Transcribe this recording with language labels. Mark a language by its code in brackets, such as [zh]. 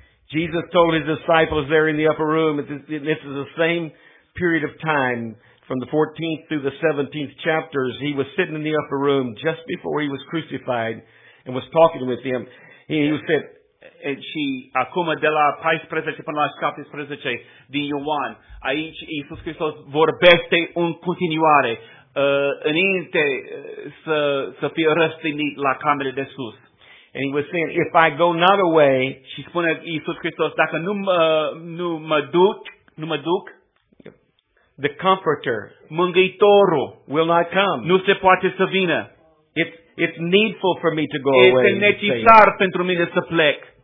[en] Jesus told his disciples there in the upper room, this is the same period of time, from the 14th through the 17th chapters, he was sitting in the upper room just before he was crucified and was talking with them. He said, [ro] și acum de la 14 până la 17 din Ioan, aici Iisus Hristos vorbește în continuare, înainte să fie răstignit la camerele de sus. [en] And he was saying, if I go not away, [ro] și spune Iisus Hristos, dacă nu mă duc, [en] the comforter, [ro] mângâitorul, [en] will not come. [ro] Nu se poate să vină. [en] It's needful for me to go away. [ro] Este necesar pentru mine să plec.